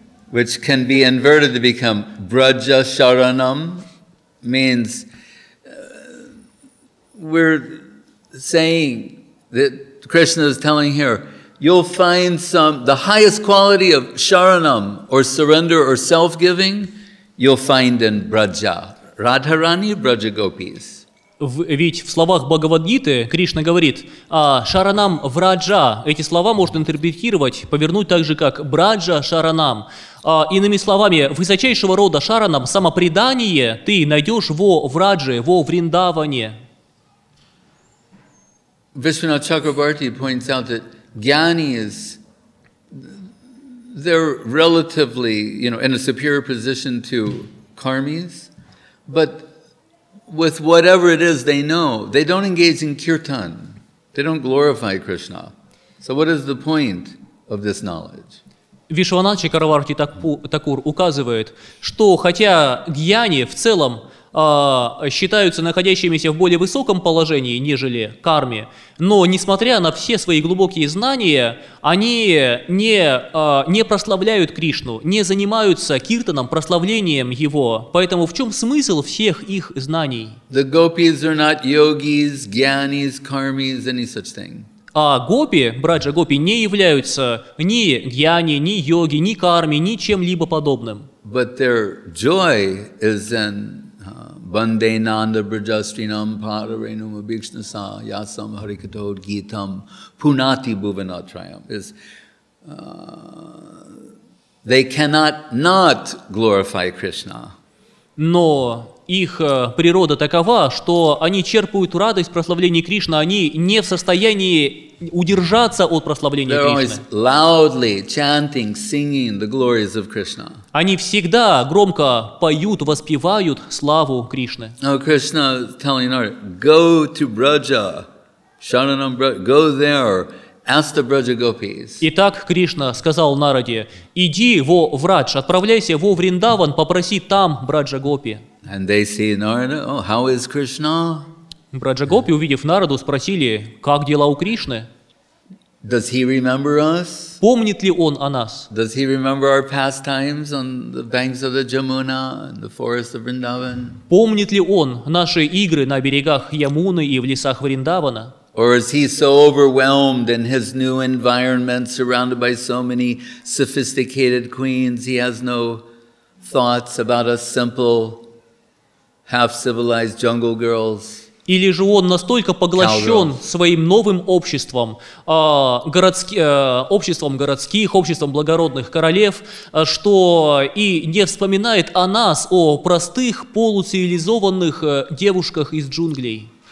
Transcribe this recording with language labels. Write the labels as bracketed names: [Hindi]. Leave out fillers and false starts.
[English] Which can be inverted to become Braja Sharanam means we're saying that Krishna is telling here, you'll find the highest quality of Sharanam or surrender or self-giving you'll find in Braja. Radharani, Braja Gopis. [Russian] Ведь в словах Бхагавад-гиты Кришна говорит «Шаранам Враджа». Эти слова можно интерпретировать, повернуть так же, как «Браджа Шаранам». Иными словами, высочайшего рода Шаранам, самопредание ты найдешь во Врадже, во Вриндаване. [English] Вишванат Чакрабарти points out that gyanis, they're relatively, you know, in a superior position to karmis, but with whatever it is they know, they don't engage in kirtan. They don't glorify Krishna. So what is the point of this knowledge? [Russian] Вишванат Чакраварти Такур указывает, что хотя гьяни в целом считаются находящимися в более высоком положении, нежели карме, но несмотря на все свои глубокие знания, они не прославляют Кришну, не занимаются киртаном, прославлением Его. Поэтому в чем смысл всех их знаний? [English] The gopis are not yogis, gyanis, karmis, any such thing. [Russian] А гопи, браджа гопи, не являются ни гьяни, ни йоги, ни карми, ни чем-либо подобным. [English] But their joy is in [Sanskrit] Банде Нанда Браджастринам Парарейнума Бикшнаса Ясам Харикатод Гитам Пунати Бувенатрайам. [English] They cannot not glorify Krishna. [Russian] Но их природа такова, что они черпают радость в прославлении Кришны, они не в состоянии удержаться от прославления [English] They're [Russian] Кришны. [English] They're always loudly chanting, singing the glories of Krishna. [Russian] Они всегда громко поют, воспевают славу Кришны. [English] Now Krishna telling Narada, go to Braja, Sharanam Braja, go there, ask the Braja Gopis. [Russian] Итак, Кришна сказал Нараде, иди во Врадж, отправляйся во Вриндаван, попроси там Браджа Гопи. [English] And they see Narada, oh, how is Krishna? [Russian] Браджа Гопи, увидев Нараду, спросили, как дела у Кришны? [English] Does he remember us? [Russian] Помнит ли он о нас? [English] Does he remember our pastimes on the banks of the Jamuna and the forest of Vrindavan? [Russian] Помнит ли он наши игры на берегах Ямуны и в лесах Вриндавана? [English] Or is he so overwhelmed in his new environment, surrounded by so many sophisticated queens, he has no thoughts about us simple, half-civilized jungle girls? [Russian] Или же он настолько поглощен своим новым обществом, обществом городских, обществом благородных королев, что и не вспоминает о нас, о простых полуцивилизованных девушках из джунглей.